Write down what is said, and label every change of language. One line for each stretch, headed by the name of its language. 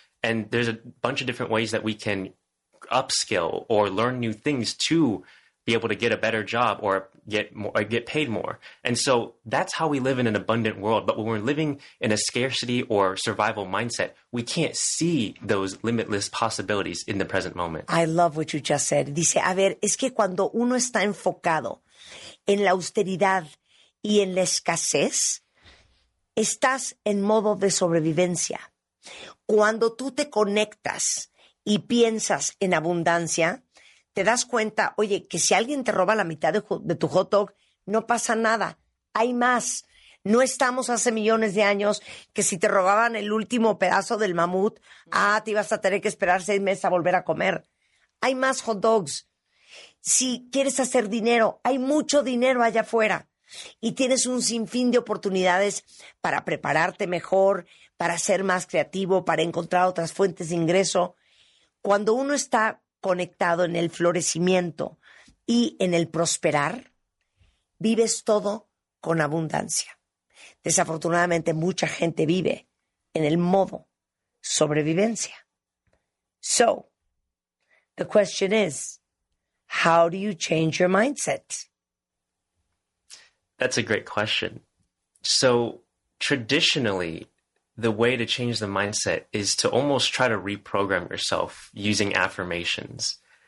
English: And there's a bunch of different ways that we can upskill or learn new things to be able to get a better job or get more, or get paid more. And so that's how we live in an abundant world. But when we're living in a scarcity or survival mindset, we can't see those limitless possibilities in the present moment. I love what you just said.
Spanish: Dice, a ver, es que cuando uno está enfocado en la austeridad y en la escasez, estás en modo de sobrevivencia. Cuando tú te conectas y piensas en abundancia, te das cuenta, oye, que si alguien te roba la mitad de tu hot dog, no pasa nada, hay más. No estamos hace millones de años que si te robaban el último pedazo del mamut, te ibas a tener que esperar 6 meses a volver a comer. Hay más hot dogs. Si quieres hacer dinero, hay mucho dinero allá afuera y tienes un sinfín de oportunidades para prepararte mejor, para ser más creativo, para encontrar otras fuentes de ingreso. Cuando uno está conectado en el florecimiento y en el prosperar, vives todo con abundancia. Desafortunadamente, mucha gente vive en el modo sobrevivencia.
English: So, the question is, how do you change your mindset? That's a great question. So traditionally, the way to change the mindset is to almost try to reprogram yourself using affirmations.